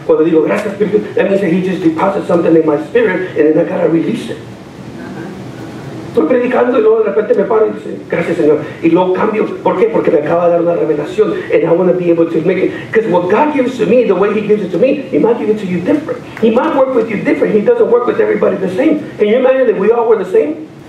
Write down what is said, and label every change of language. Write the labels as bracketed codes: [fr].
[es] Cuando digo, gracias, Espíritu, [en] that means that he just deposits something in my spirit, and then I gotta release it. [es] Estoy predicando y luego de repente me paro y dice, gracias Señor. Y luego cambio. ¿Por qué? Porque me acaba de dar una revelación. [en] And I want to be able to make it. Because what God gives to me, the way he gives it to me, he might give it to you different. He might work with you different. He doesn't work with everybody the same. Can you imagine that we all were the same?